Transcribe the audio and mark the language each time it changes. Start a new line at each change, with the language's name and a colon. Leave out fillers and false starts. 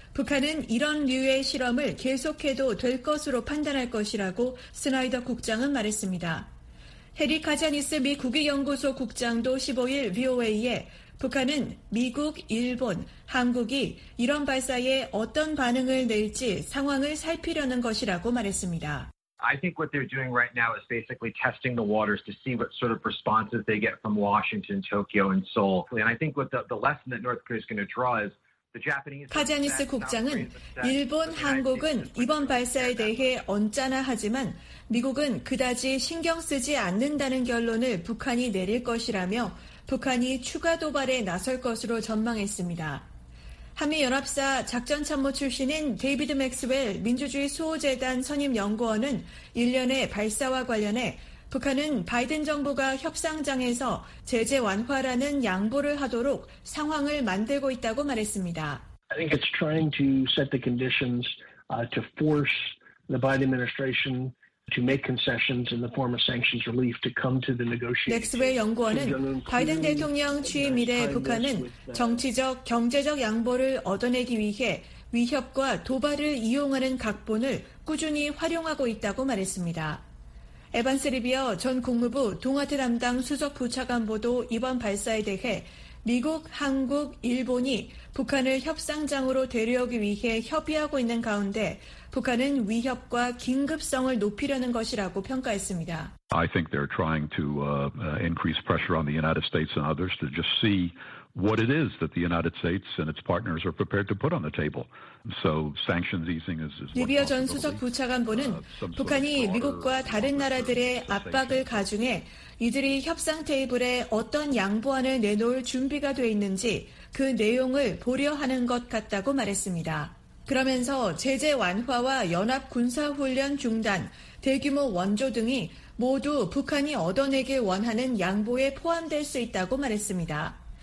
Korean: 북한은 이런 류의 실험을 계속해도 될 것으로 판단할 것이라고 스나이더 국장은 말했습니다. 해리 카자니스 미 국위연구소 국장도 15일 VOA에 북한은 미국, 일본, 한국이 이런 발사에 어떤 반응을 낼지 상황을 살피려는 것이라고 말했습니다.
English: I think what they're doing right now is basically testing the waters to see what sort of responses they get from Washington, Tokyo, and Seoul. And I think what the lesson that North Korea is going to draw is the Japanese.
Korean: 카자니스 국장은 일본, 한국은 이번 발사에 대해 언짢아하지만 미국은 그다지 신경 쓰지 않는다는 결론을 북한이 내릴 것이라며 북한이 추가 도발에 나설 것으로 전망했습니다. 한미연합사 작전참모 출신인 데이비드 맥스웰 민주주의 수호재단 선임연구원은 일련의 발사와 관련해 북한은 바이든 정부가 협상장에서 제재 완화라는 양보를 하도록 상황을 만들고 있다고 말했습니다.
English: I think it's trying to set the conditions to force the Biden administration to make concessions in the form of sanctions relief to come to the negotiation.
Korean: 맥스웰 연구원은 바이든 대통령 취임 이래 북한은 정치적, 경제적 양보를 얻어내기 위해 위협과 도발을 이용하는 각본을 꾸준히 활용하고 있다고 말했습니다. 에반스 리비어 전 국무부 동아태 담당 수석 부차관 보도 이번 발사에 대해 미국, 한국, 일본이 북한을 협상장으로 데려오기 위해 협의하고 있는 가운데 북한은 위협과 긴급성을 높이려는 것이라고 평가했습니다.
English: I think they're trying to increase pressure on the United States and others to just see what it is that the United States and its partners are prepared to put on the table. So sanctions easing is one.
Korean: 리비어 전 수석 부차관보는 북한이 미국과 다른 나라들의 압박을 가중해 이들이 협상 테이블에 어떤 양보안을 내놓을 준비가 돼 있는지 그 내용을 보려하는 것 같다고 말했습니다. 그러면서 제재 완화와 연합 군사훈련 중단, 대규모 원조 등이 모두 북한이 얻어내길 원하는 양보에 포함될 수 있다고 말했습니다.